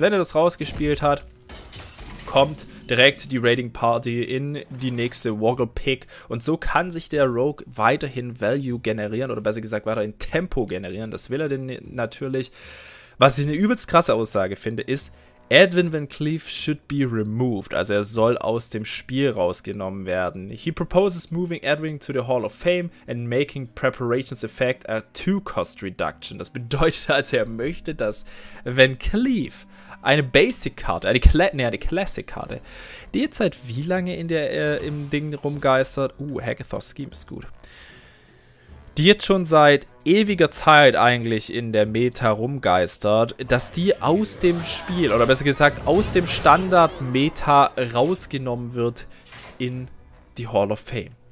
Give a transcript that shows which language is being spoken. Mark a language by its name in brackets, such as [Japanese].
[German] Wenn er das rausgespielt hat, kommt direkt die Raiding Party in die nächste Woggle Pick und so kann sich der Rogue weiterhin Value generieren oder besser gesagt weiterhin Tempo generieren. Das will er denn natürlich. Was ich eine übelst krasse Aussage finde, ist, Edwin Van Cleef [English] should be removed. [German] Also er soll aus dem Spiel rausgenommen werden. [English] He proposes moving Edwin to the Hall of Fame and making preparations effect a 2-cost reduction. [German] Das bedeutet also, er möchte, dass Van Cleef eine Basic-Karte, eine Classic-Karte, die jetzt seit wie lange in der im Ding rumgeistert? Hagathor Scheme ist gut. Die jetzt schon seit ewiger Zeit eigentlich in der Meta rumgeistert, dass die aus dem Spiel, oder besser gesagt aus dem Standard-Meta rausgenommen wird in die Hall of Fame.